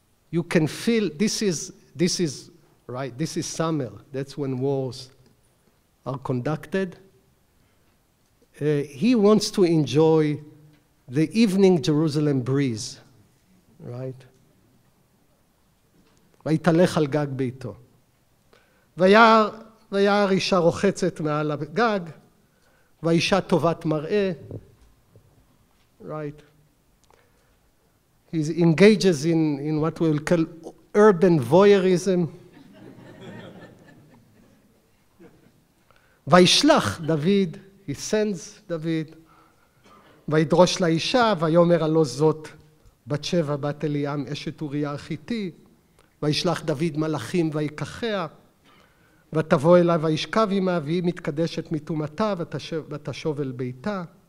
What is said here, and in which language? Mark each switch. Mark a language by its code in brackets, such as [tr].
[en] You can feel, this is, right, this is summer. That's when wars are conducted. He wants to enjoy the evening Jerusalem breeze, right? [he] Vayitalech al gag beito. Vayar, ויער אישה רוחצת מעל הגג, ואישה טובת מראה. [en] Right. He engages in what we will call urban voyeurism. [he] וישלח דוד, [en] he sends [he] דוד, וידרוש לאישה, ויאמר הלא זאת בת שבע בת אליעם אשת אוריה החיתי, וישלח דוד מלאכים ויקחיה, ותבוא אליו הישכב עמה, והיא מתקדשת מתומתה, ותשוב אל ביתה.